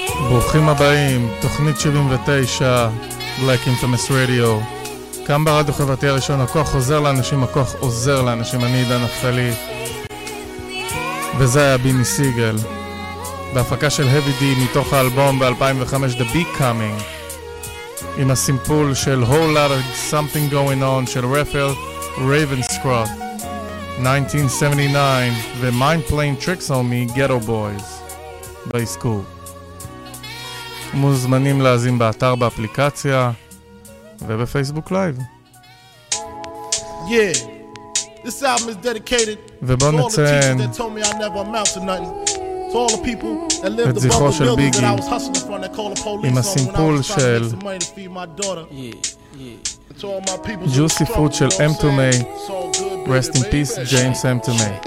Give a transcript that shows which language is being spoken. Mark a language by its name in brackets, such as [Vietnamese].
[Hebrew] ברוכים הבאים, תוכנית 79, Black Infamous Radio. כאן ברדיו חברתי הראשון, הכוח עוזר לאנשים, הכוח עוזר לאנשים, אני עידן נפתלי. וזה היה ביני סיגל, בהפקה של Heavy D מתוך האלבום ב-2005, The Becoming, עם הסימפול של Whole Lot of Something Going On של Raphael Ravenscroft, 1979, ו-Mind Playing Tricks on Me, Ghetto Boys, בעסקור. מוזמנים להזים באתר, באפליקציה ובפייסבוק לייב. [English] Yeah, this album is dedicated to all the teachers that told me I never amount to nothing. To all the people that lived above the building that I was hustling from, that called the police on when I was trying to get some money to feed my daughter. [Hebrew] Juicy Fruit של M2M, rest in peace, James M2M.